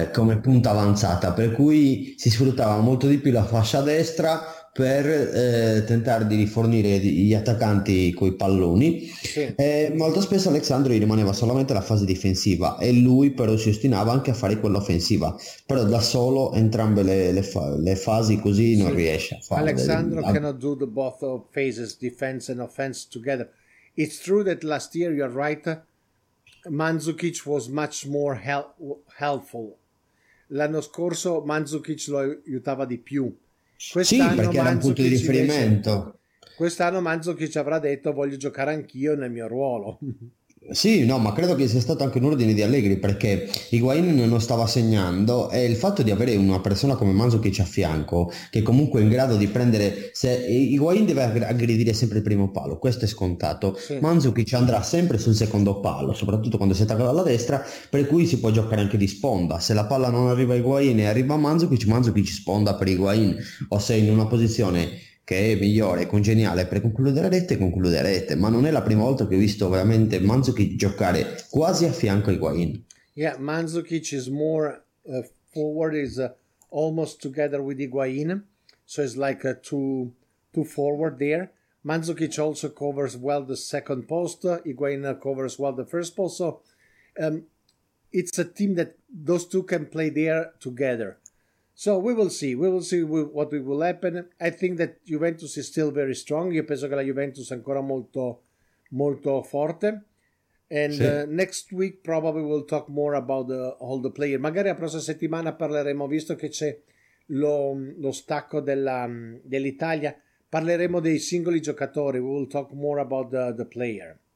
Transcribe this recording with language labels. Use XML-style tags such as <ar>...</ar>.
<it>come punta avanzata, per cui si sfruttava molto di più la fascia destra per tentare di rifornire gli attaccanti coi palloni, sì. Molto spesso Alexandro rimaneva solamente la fase difensiva e lui però si ostinava anche a fare quell'offensiva, però da solo entrambe le fasi così non sì. riesce a fare.</it> <en>Alexandro cannot do the both of phases, defense and offense together. It's true that last year, you're right, Mandzukic was much more helpful.</en> <it>L'anno scorso Mandzukic lo aiutava di più. Quest'anno sì, perché era un punto di riferimento. Quest'anno Mandzukic avrà detto voglio giocare anch'io nel mio ruolo. Sì, no, ma credo che sia stato anche un ordine di Allegri, perché Higuain non stava segnando e il fatto di avere una persona come Mandzukic a fianco, che comunque è in grado di prendere, se Higuain deve aggredire sempre il primo palo, questo è scontato, sì. Mandzukic andrà sempre sul secondo palo, soprattutto quando si attacca dalla destra, per cui si può giocare anche di sponda. Se la palla non arriva a Higuain e arriva a Mandzukic, Mandzukic sponda per Higuain, o se in una posizione che è migliore, congeniale per concludere rete, conclude rete. Ma non è la prima volta che ho visto veramente Mandzukic giocare quasi a fianco a Higuain.</it> <en>Yeah, Mandzukic is more forward, is almost together with Higuain, so it's like two forward there. Mandzukic also covers well the second post, Higuain covers well the first post, so it's a team that those two can play there together. So we will see. We will see what will happen. I think that Juventus is still very strong.</en> <it>Io penso che la Juventus è ancora molto, molto forte.</it> <en>And</en> <it>sì.</it> <en>Next week probably we'll talk more about all the players.</en> <it>Magari la prossima settimana parleremo, visto che c'è lo stacco dell'Italia, parleremo dei singoli giocatori.</it> <en>We will talk more about the player.</en>